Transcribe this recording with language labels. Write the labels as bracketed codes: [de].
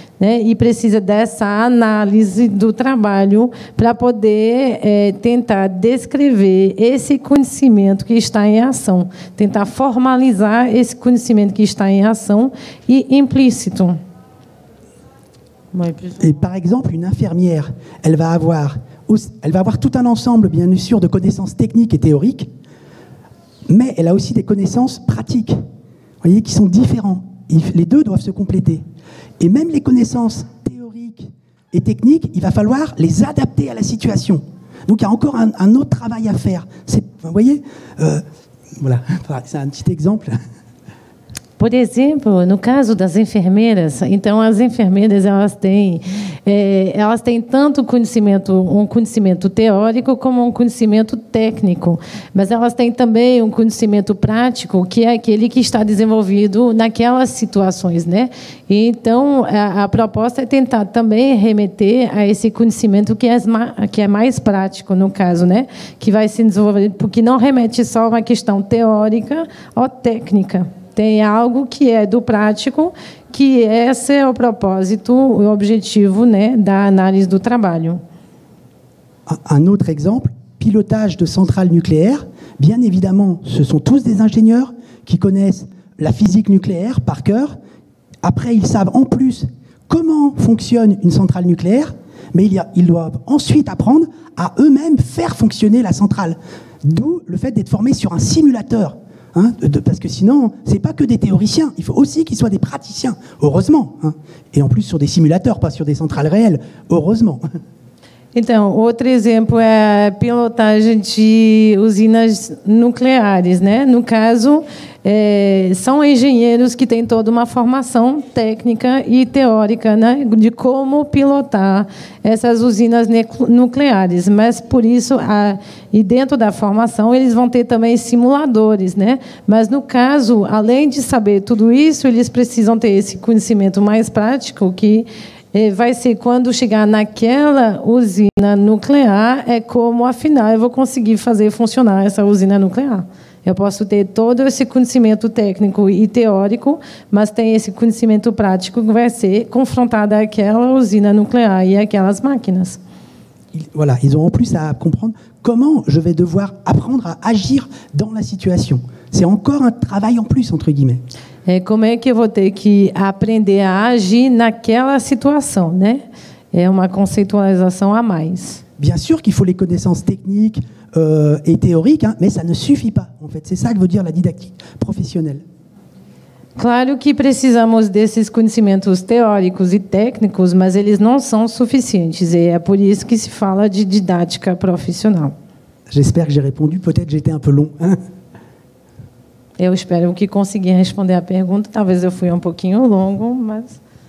[pt] Né, e precisa dessa análise do trabalho para poder tentar descrever esse conhecimento que está em ação, tentar formalizar esse conhecimento que está em ação e implícito. E, por exemplo, uma enfermeira, ela vai [fr] avoir tout un ensemble, bien sûr, de connaissances techniques et théoriques, mais elle a aussi des connaissances pratiques, voyez, qui sont différentes. Les deux doivent se compléter. Et même les connaissances théoriques et techniques, il va falloir les adapter à la situation. Donc il y a encore un autre travail à faire. Vous voyez, voilà, c'est un petit exemple. [pt] Por exemplo, no caso das enfermeiras, então as enfermeiras elas têm Elas têm tanto conhecimento, um conhecimento teórico como um conhecimento técnico, mas elas têm também um conhecimento prático, que é aquele que está desenvolvido naquelas situações, né? Então, a proposta é tentar também remeter a esse conhecimento que é mais prático, no caso, né? Que vai se desenvolver, porque não remete só a uma questão teórica ou técnica. Tem algo que é do prático, que esse é o propósito, o objetivo, né, da análise do trabalho. Um outro exemplo, [fr] pilotage de centrales nucléaires. Bien évidemment, ce sont tous des ingénieurs qui connaissent la physique nucléaire par cœur. Après, ils savent en plus comment fonctionne une centrale nucléaire, mais ils doivent ensuite apprendre à eux-mêmes faire fonctionner la centrale. D'où le fait d'être formés sur un simulateur. Hein, parce que sinon, c'est pas que des théoriciens, il faut aussi qu'ils soient des praticiens, heureusement. Hein. Et en plus sur des simulateurs, pas sur des centrales réelles, heureusement. [pt] Então, outro exemplo é pilotagem de usinas nucleares, né? No caso, são engenheiros que têm toda uma formação técnica e teórica, né, de como pilotar essas usinas nucleares. Mas, por isso, e dentro da formação, eles vão ter também simuladores, né? Mas, no caso, além de saber tudo isso, eles precisam ter esse conhecimento mais prático que... vai ser quando chegar naquela usina nuclear, é como, afinal, eu vou conseguir fazer funcionar essa usina nuclear. Eu posso ter todo esse conhecimento técnico e teórico, mas tem esse conhecimento prático que vai ser confrontado àquela usina nuclear e aquelas máquinas. [fr] Voilà, ils ont en plus à comprendre comment je vais devoir apprendre à agir dans la situation. C'est encore un travail en plus, entre guillemets. [pt] Como é que eu vou ter que aprender a agir naquela situação, né? É uma conceitualização a mais. [fr] Bien sûr qu'il faut les connaissances techniques et théoriques, hein, mais ça ne suffit pas, en fait. C'est ça que veut dire la didactique professionnelle. [pt] Claro que precisamos desses conhecimentos teóricos e técnicos, mas eles não são suficientes. E é por isso que se fala de didática profissional. [fr] J'espère que j'ai répondu. Peut-être j'étais un peu long. Hein? [pt] Eu espero que consegui responder à pergunta. Talvez eu fui um pouquinho longo, mas...